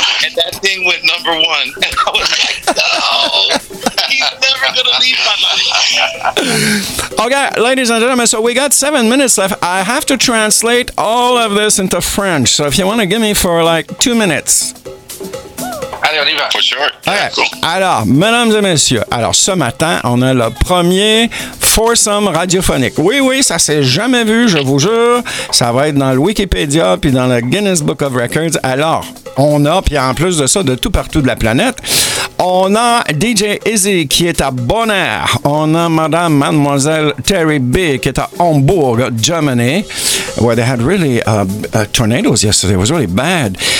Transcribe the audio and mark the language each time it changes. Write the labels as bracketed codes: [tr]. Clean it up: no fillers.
[en] And that thing went number one, and I was like, no, he's never gonna leave my life. Okay, ladies and gentlemen, so we got 7 minutes left. I have to translate all of this into French. So if you want to give me for like 2 minutes. [fr] Allez, on y va. [en] For sure. Okay. Yeah, cool. [fr] Alors, mesdames et messieurs, alors ce matin, on a le premier foursome radiophonique. Oui, oui, ça s'est jamais vu, je vous jure. Ça va être dans le Wikipédia puis dans le Guinness Book of Records. Alors, on a, puis en plus de ça, de tout partout de la planète, on a DJ Izzy qui est à Bonaire. On a Madame Mademoiselle Terry B qui est à [en] Hamburg, Germany, where they had really tornadoes yesterday. It was really bad.